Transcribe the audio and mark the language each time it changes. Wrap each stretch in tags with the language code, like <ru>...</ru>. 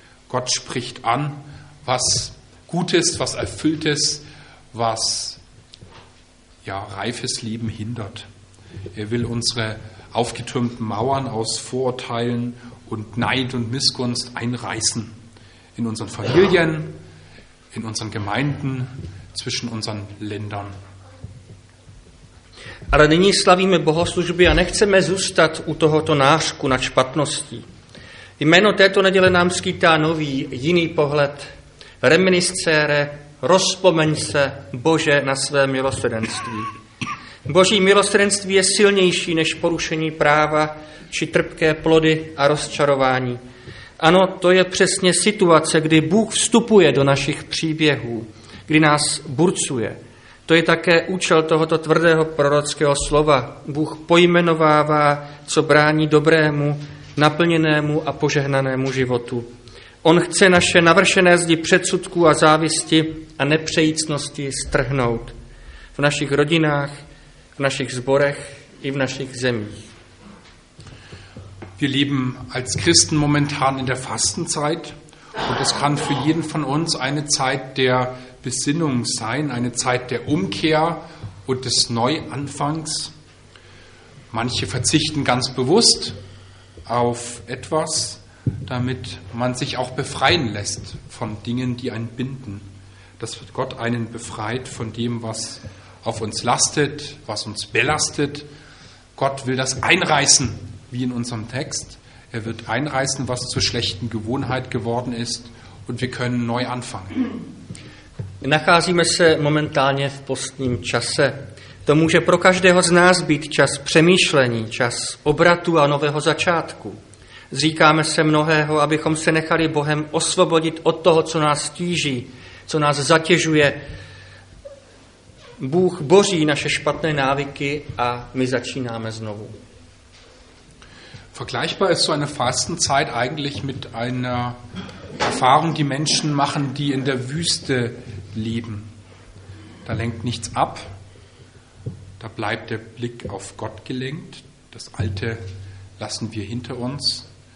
<de>Gott spricht an, was Gutes, was Erfülltes, was ja, reifes Leben hindert. Er will unsere aufgetürmten Mauern aus Vorurteilen und Neid und Missgunst einreißen. In unseren Familien, in unseren Gemeinden, zwischen unseren Ländern.</de> <cs>Ale nyní slavíme bohoslužby a nechceme zůstat u tohoto nářku nad špatností. Jméno této neděle nám skýtá nový, jiný pohled. Reminiscere, rozpomeň se, Bože, na své milosrdenství. Boží milosrdenství je silnější než porušení práva či trpké plody a rozčarování. Ano, to je přesně situace, kdy Bůh vstupuje do našich příběhů, kdy nás burcuje. To je také účel tohoto tvrdého prorockého slova. Bůh pojmenovává, co brání dobrému, naplněnému a požehnanému životu. On chce naše navršené zdi předsudků a závisti a nepřejícnosti strhnout v našich rodinách, v našich zborech i v našich zemích.</cs> <de>Wir leben als Christen momentan in der Fastenzeit und es kann für jeden von uns eine Zeit der Besinnung sein, eine Zeit der Umkehr und des Neuanfangs. Manche verzichten ganz bewusst auf etwas, damit man sich auch befreien lässt von Dingen, die einen binden. Dass Gott einen befreit von dem, was auf uns lastet, was uns belastet. Gott will das einreißen, wie in unserem Text. Er wird einreißen, was zur schlechten Gewohnheit geworden ist und wir können neu anfangen.</de> <cs>Nacházíme se momentálně v postním čase. To může pro každého z nás být čas přemýšlení, čas obratu a nového začátku. Zříkáme se mnohého, abychom se nechali Bohem osvobodit od toho, co nás tíží, co nás zatěžuje. Bůh boří naše špatné návyky a my začínáme znovu.</cs> <de>Vergleichbar ist so eine Fastenzeit eigentlich mit einer Erfahrung, die Menschen machen, die in der Wüste leben. Da lenkt nichts ab. Da bleibt der Blick auf Gott gelenkt. Das Alte lassen wir hinter uns.</de>